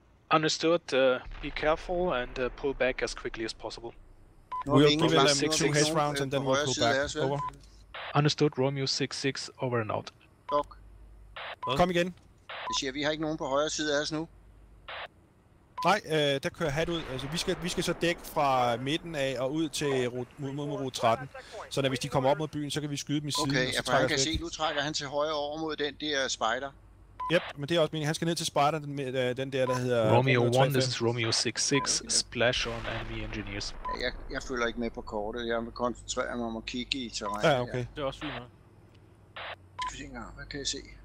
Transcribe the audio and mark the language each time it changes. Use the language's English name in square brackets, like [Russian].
[English] Understood, be careful and pull back as quickly as possible. We'll give them 2 hash rounds and then we'll pull back, over. Understood, Romeo 66, over and out. [Danish] Kom igen. Jeg siger, vi har ikke nogen på højre side af os nu. Nej, der kører hat ud. Altså, vi skal så dække fra midten af og ud til rute 13. Så når hvis de kommer op mod byen, så kan vi skyde dem i siden. Okay, og så jeg kan se, nu trækker han til højre over mod den der spider. Yep, men det er også meningen. Han skal ned til spider, den der hedder... [English] Romeo 1, this is Romeo 66, splash on enemy engineers. [Danish] Jeg følger ikke med på kortet. Jeg vil koncentrere mig om at kigge i terrænet. Ja, okay. Det er også fint, man. Hvad kan jeg se?